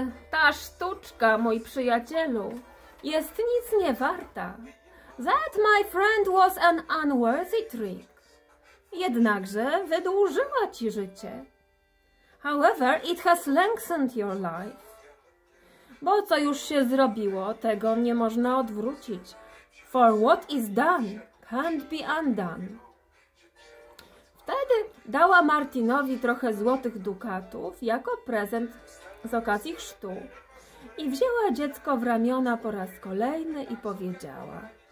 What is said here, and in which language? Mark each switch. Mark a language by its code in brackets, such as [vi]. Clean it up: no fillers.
[pl] Ta sztuczka, mój przyjacielu, jest nic nie warta. [en] That, my friend, was an unworthy trick. [pl] Jednakże wydłużyła ci życie. [en] However, it has lengthened your life. [pl] Bo co już się zrobiło, tego nie można odwrócić. [en] For what is done can't be undone. [pl] Wtedy dała Martinowi trochę złotych dukatów jako prezent z okazji chrztu i wzięła dziecko w ramiona po raz kolejny i powiedziała.